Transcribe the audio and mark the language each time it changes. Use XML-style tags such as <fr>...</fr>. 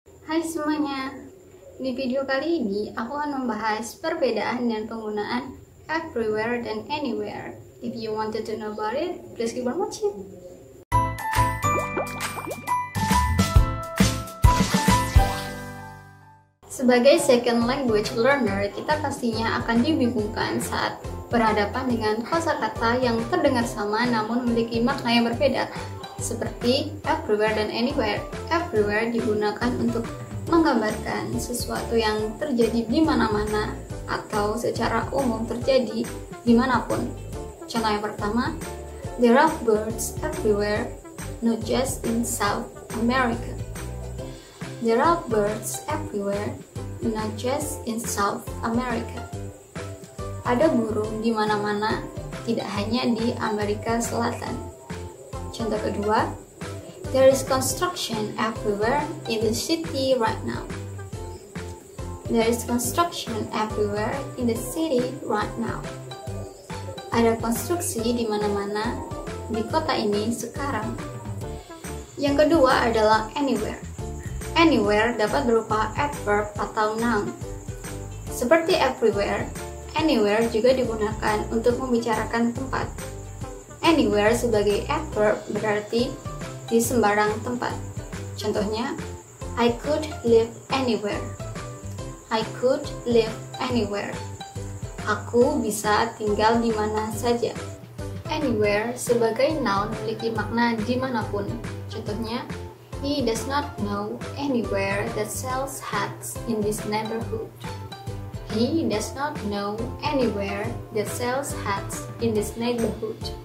<id>Hai semuanya, di video kali ini aku akan membahas perbedaan dan penggunaan everywhere dan anywhere.</id> <en>If you wanted to know about it, please keep on watching.</en> <id>Sebagai</id> <en>second language learner,</en> <id>kita pastinya akan dibingungkan saat berhadapan dengan kosakata yang terdengar sama namun memiliki makna yang berbeda. Seperti everywhere dan anywhere. Everywhere digunakan untuk menggambarkan sesuatu yang terjadi di mana-mana atau secara umum terjadi dimanapun. Contoh yang pertama,</id> <en>there are birds everywhere, not just in South America. There are birds everywhere, not just in South America.</en> <id>Ada burung di mana-mana, tidak hanya di Amerika Selatan. Contoh kedua,</id> <en>there is construction everywhere in the city right now. There is construction everywhere in the city right now.</en> <id>Ada konstruksi di mana-mana di kota ini sekarang. Yang kedua adalah anywhere. Anywhere dapat berupa adverb atau noun. Seperti everywhere, anywhere juga digunakan untuk membicarakan tempat. Anywhere sebagai adverb berarti di sembarang tempat. Contohnya,</id> <en>I could live anywhere. I could live anywhere.</en> <id>Aku bisa tinggal di mana saja. Anywhere sebagai noun memiliki makna dimanapun. Contohnya,</id> <en>he does not know anywhere that sells hats in this neighborhood. He does not know anywhere that sells hats in this neighborhood.</en>